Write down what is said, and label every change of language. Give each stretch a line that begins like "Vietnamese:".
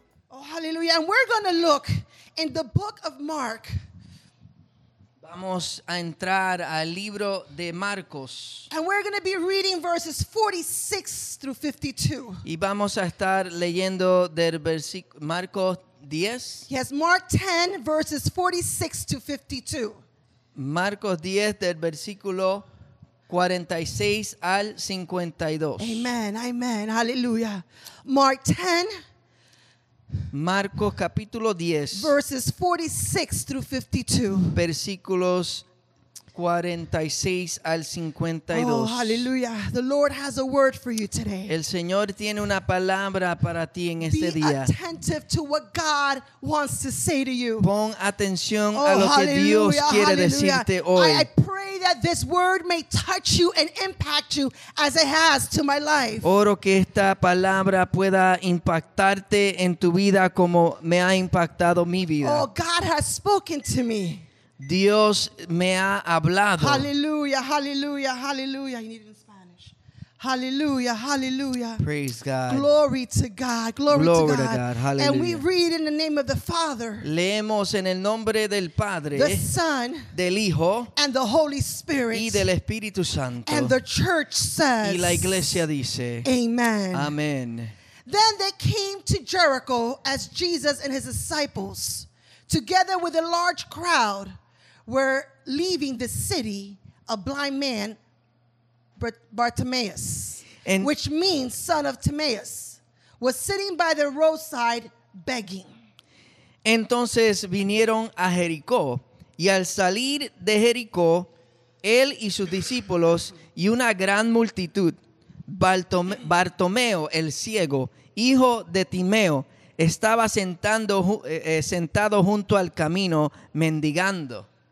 English: Oh, hallelujah. And we're going to look in the book of Mark.
Spanish: Vamos a entrar al libro de Marcos.
English: And we're going to be reading verses 46 through 52.
Spanish: Y vamos a estar leyendo del versículo Marcos 10.
English: Yes, Mark 10, verses 46 to 52.
Spanish: Marcos 10, del versículo 46 al 52.
English: Amen, amen, hallelujah. Mark 10.
Spanish: Marcos capítulo 10.
English: Verses 46 through 52.
Spanish: Versículos 46 al 52.
English: Oh, hallelujah. The Lord has a word for you today.
Spanish: El Señor tiene una palabra para ti en este día.
English: Be attentive to what God wants to say to you.
Spanish: Pon atención a lo que Dios quiere decirte hoy.
English: I pray that this word may touch you and impact you as it has to my life.
Spanish: Oro que esta palabra pueda impactarte en tu vida como me ha impactado mi vida.
English: Oh, God has spoken to me.
Spanish: Dios me ha hablado.
English: Hallelujah, hallelujah, hallelujah. You need it in Spanish. Hallelujah, hallelujah. Praise God. Glory to God. Glory, glory to God. To God. Hallelujah. And we read in the name of the Father.
Spanish: Leemos en el nombre del Padre.
English: The Son.
Spanish: Del Hijo.
English: And the Holy Spirit.
Spanish: Y del Espíritu Santo.
English: And the church says.
Spanish: Y la iglesia dice.
English: Amen. Amen. Then they came to Jericho as Jesus and his disciples, together with a large crowd, were leaving the city, a blind man, Bartimaeus, and which means son of Timaeus, was sitting by the roadside begging.
Spanish: Entonces vinieron a Jericó, y al salir de Jericó, él y sus discípulos y una gran multitud, Bartimeo, el ciego, hijo de Timeo, estaba sentado junto al camino mendigando.